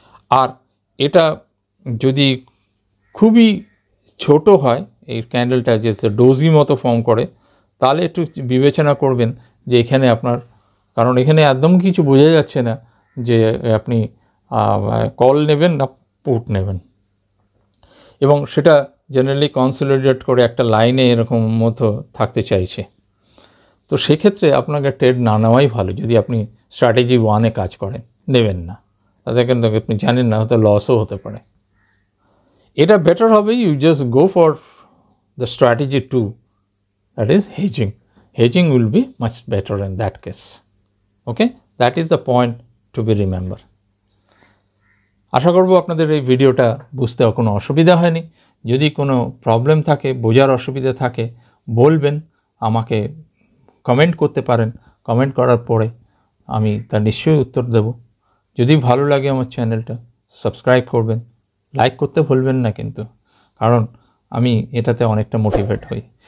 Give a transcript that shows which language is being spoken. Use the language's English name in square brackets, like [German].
[Bangla] আর এটা যদি খুবই ছোট হয় এই ক্যান্ডেলটা, যে ডোজি মতো ফর্ম করে, তাহলে একটু বিবেচনা করবেন যে এখানে আপনার, কারণ এখানে একদম কিছু বোঝা যাচ্ছে না যে আপনি কল নেবেন না পুট নেবেন, এবং সেটা জেনারেলি কনসোলিডেট করে একটা লাইনে এরকম মতো থাকতে চাইছে। তো সেক্ষেত্রে আপনাকে ট্রেড না নেওয়াই ভালো, যদি আপনি স্ট্র্যাটেজি ওয়ানে কাজ করেন নেবেন না, তাতে কিন্তু আপনি জানেন না হয়তো লসও হতে পারে। এটা বেটার হবে [English] You just go for the strategy two, that is hedging. Hedging will be much better in that case. Okay, that is the point to be remembered. [Bangla] আশা করব আপনাদের এই ভিডিওটা বুঝতে কোনো অসুবিধা হয়নি। যদি কোনো প্রবলেম থাকে, বোঝার অসুবিধা থাকে, বলবেন আমাকে, কমেন্ট করতে পারেন। কমেন্ট করার পরে আমি তা নিশ্চয়ই উত্তর দেব। যদি ভালো লাগে আমার চ্যানেলটা, সাবস্ক্রাইব করবেন, লাইক করতে ভুলবেন না কিন্তু, কারণ আমি এটাতে অনেকটা মোটিভেট হই।